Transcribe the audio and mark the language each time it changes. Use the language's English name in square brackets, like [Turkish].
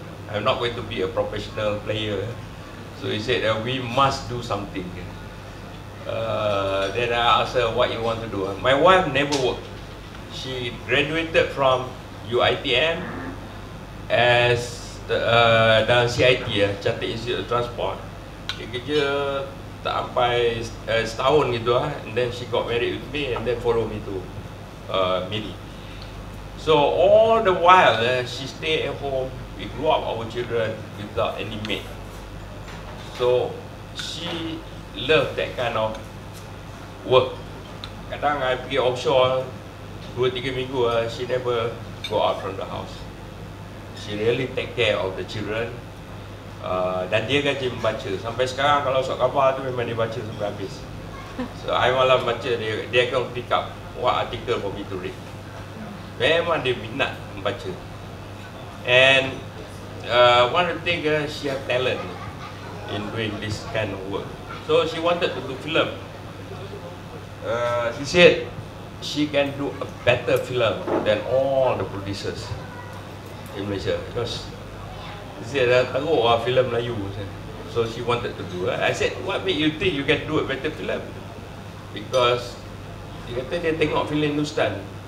[English] I'm not going to be a professional player. So he said, we must do something. Then I asked her, what you want to do? My wife never worked. She graduated from UITM as dalam CIT, Chartered Institute of Transport. [Malay] Dia kerja tak sampai setahun gitu lah. [English] And then she got married with me and then follow me to Miri. So all the while, she stay at home. We grew up our children without any maid. So she love that kind of work. [Malay] Kadang I pergi offshore 2-3 minggu, [English] she never go out from the house. She really take care of the children. [Malay] Dan dia gaji membaca. Sampai sekarang kalau sok khabar tu memang dia baca sampai habis. [English] So I [Malay] malam baca, dia akan [English] pick up what article for me to read. [Malay] Memang dia minat membaca. [English] And one of the things, she have talent in doing this kind of work. So she wanted to do film. She said she can do a better film than all the producers in Malaysia. Because [Malay] dia dah tahu lah filem Melayu. [English] So she wanted to do. I said, what make you think you can do a better film? Because [Malay] dia kata dia tengok filem Hindustan.